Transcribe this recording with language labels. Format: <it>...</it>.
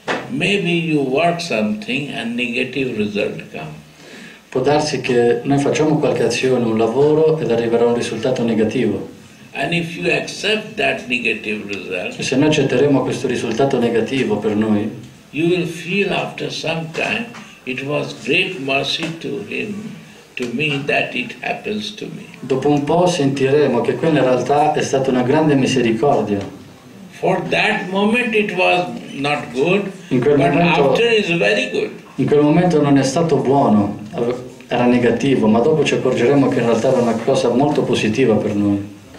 <en>Maybe you work something and negative result come.</en> <it>Può darsi che noi facciamo qualche azione, un lavoro ed arriverà un risultato negativo.</it> <en>And if you accept that negative result,</en> <it>se noi accetteremo questo risultato negativo per noi,</it> <en>you will feel after some time it was great mercy to him, to me, that it happens to me.</en> <it>Dopo un po' sentiremo che quella in realtà è stata una grande misericordia.</it> <en>For that moment it was not good,</en> <it>in quel momento,</it> <en>but after is very good.</en> <it>In quel momento non è stato buono, era negativo, ma dopo ci accorgeremo che in realtà era una cosa molto positiva per noi.</it>